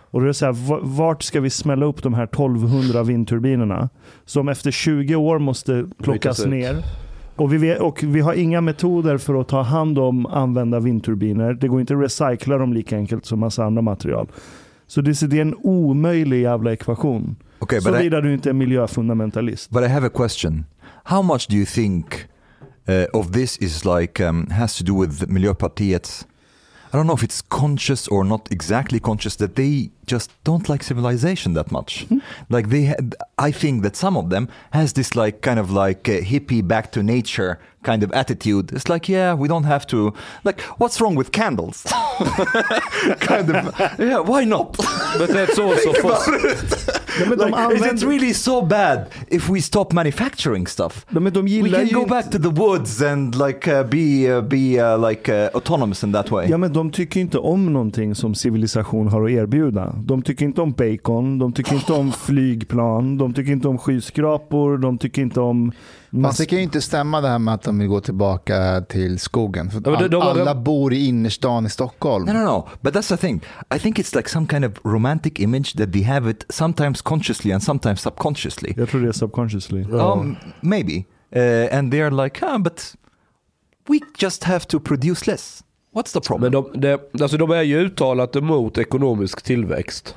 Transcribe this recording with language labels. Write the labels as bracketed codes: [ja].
[sv] Och det är så här, vart ska vi smälla upp de här 1200 vindturbinerna som efter 20 år måste plockas ner? Och vi har inga metoder för att ta hand om använda vindturbiner. Det går inte att recycla dem lika enkelt som massa andra material. Så det är en omöjlig jävla ekvation. [en] Okay, [sv] så vidare du inte är miljöfundamentalist. [en] But I have a question. How much do you think of this is like has to do with Miljöpartiet. I don't know if it's conscious or not exactly conscious that they just don't like civilization that much. Mm. Like I think that some of them has this like kind of like hippie back to nature kind of attitude. It's like, yeah, we don't have to. Like, what's wrong with candles? Kind of. Yeah, why not? But that's also false. [sv] Ja, men [en] like, is it really so bad if we stop manufacturing stuff? [sv] Ja, men de gillar [en] we can go back to the woods and like be autonomous in that way. [sv] Ja, men de tycker inte om någonting som civilisation har att erbjuda. De tycker inte om bacon, de tycker inte om flygplan, de tycker inte om skyskrapor, de tycker inte om... Fast det kan ju inte stämma det här med att de vill gå tillbaka till skogen. För alla bor i innerstan i Stockholm. [en] No. But that's the thing. I think it's like some kind of romantic image that they have it sometimes consciously and sometimes subconsciously. [sv] Jag tror det är subconsciously. [en] Maybe. And they are like, but we just have to produce less. What's the problem? [sv] Men de är ju uttalat emot ekonomisk tillväxt.